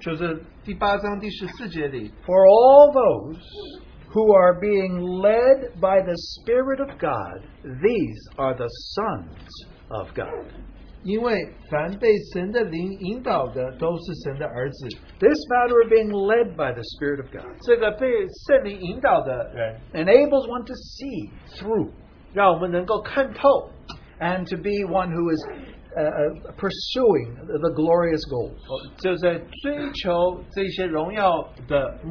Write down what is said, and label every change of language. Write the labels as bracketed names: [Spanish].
[Chinese] 就是第八章第十四节里, [English] for all those who are being led by the Spirit of God, these are the sons of God. [Chinese] 因为凡被神的灵引导的都是神的儿子. [English] This matter of being led by the Spirit of God, [Chinese] 这个被圣灵引导的人, [English] enables one to see through, [Chinese] 让我们能够看透, [English] and to be one who is pursuing the glorious goals.